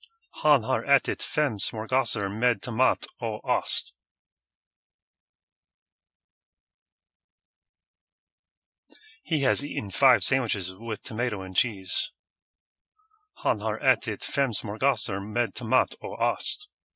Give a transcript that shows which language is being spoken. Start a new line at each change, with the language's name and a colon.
Swedish: Han har ätit fem smörgåsar med tomat och ost.
English: He has eaten five sandwiches with tomato and cheese.
Swedish: Han har ätit fem smörgåsar med tomat och ost.